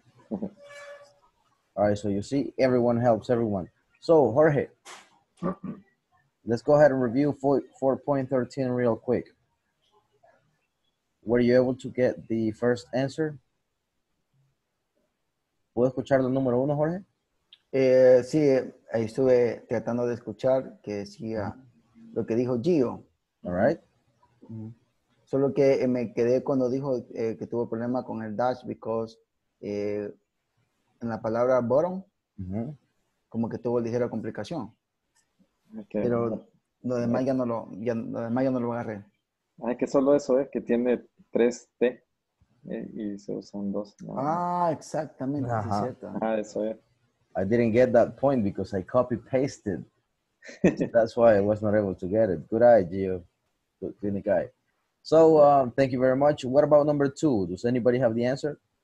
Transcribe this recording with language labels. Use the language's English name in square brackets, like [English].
[English] All right, so you see, everyone helps everyone. So, Jorge, let's go ahead and review 4.13 real quick. Were you able to get the first answer? [Spanish] ¿Puedo escuchar el número uno, Jorge? Sí, estuve tratando de escuchar que decía lo que dijo Gio. [English] All right. [Spanish] Solo que me quedé cuando dijo que tuvo problema con el dash [English] because... [Spanish] En la palabra bottom, uh-huh. Como que tuvo ligera complicación. Okay. Pero lo demás ya no lo agarré. Ah, que solo eso es que tiene 3 T y se usan 2. ¿No? Ah, exactamente. Uh-huh. Ah, eso es. [English] I didn't get that point because I copy pasted. That's why I was not able to get it. Good eye, Gio. Good clinic eye. So, thank you very much. What about number two? Does anybody have the answer?